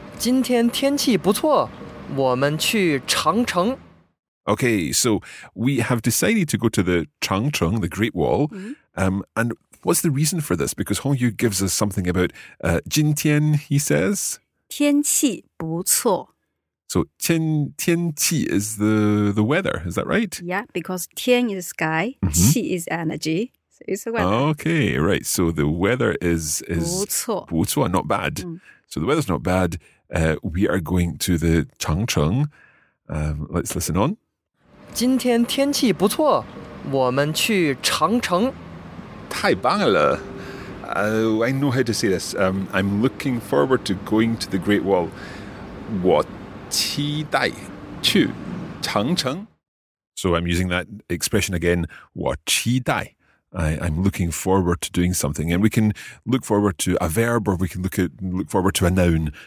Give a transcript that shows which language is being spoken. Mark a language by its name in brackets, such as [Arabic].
[Chinese] 今天天气不错，我们去长城。 [English] Okay, so we have decided to go to the Changcheng, the Great Wall. And what's the reason for this? Because Hong Yu gives us something about 今天, he says. [Chinese] 天气不错。 [English] So 天气is the weather, is that right? Yeah, because 天 is sky, 气 is energy, so it's the weather. Okay, right. So the weather is [Chinese] 不错, [English] not bad. So the weather's not bad. We are going to the Changcheng. Let's listen on. [Chinese] 今天天气不错，我们去长城。太棒了！ [English] I know how to say this. I'm looking forward to going to the Great Wall. [Chinese] 我期待去长城。 [English] So I'm using that expression again. [Chinese] 我期待。 [English] I'm looking forward to doing something. And we can look forward to a verb or we can look forward to a noun.